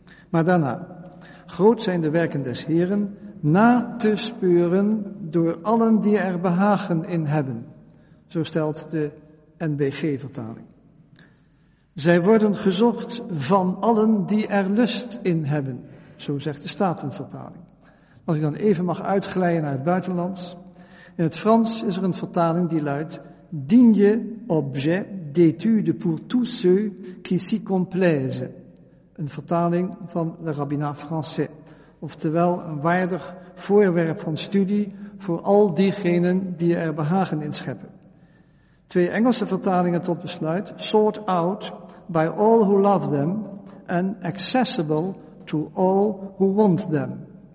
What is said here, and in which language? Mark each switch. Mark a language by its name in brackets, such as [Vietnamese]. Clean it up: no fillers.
[Dutch] Maar daarna, groot zijn de werken des Heren, na te speuren door allen die er behagen in hebben, zo stelt de NBG-vertaling. Zij worden gezocht van allen die er lust in hebben, zo zegt de Statenvertaling. Als ik dan even mag uitglijden naar het buitenland. In het Frans is er een vertaling die luidt: [French] digne objet d'étude pour tous ceux qui s'y complaisent. [Dutch] Een vertaling van le rabbinat français. Oftewel, een waardig voorwerp van studie voor al diegenen die er behagen in scheppen. Twee Engelse vertalingen tot besluit: [English] sought out by all who love them and accessible to all who want them.